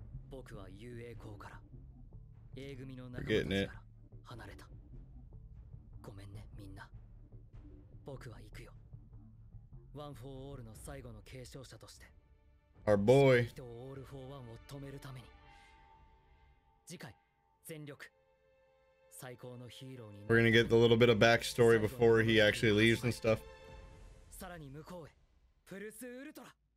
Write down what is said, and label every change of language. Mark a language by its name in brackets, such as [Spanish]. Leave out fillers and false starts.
[Japanese] 僕は遊泳校から、A 組の仲間たちから離れた。ごめんね、みんな。僕は行くよ。ワン・フォー・オールの最後の継承者として。 [English] Our boy。 [Japanese] 人をオール・フォー・ワンを止めるために。次回、全力。最高のヒーローに。 [English] We're gonna get a little bit of backstory before he actually leaves and stuff。 [Japanese] さらに向こうへ、プルス・ウルトラ。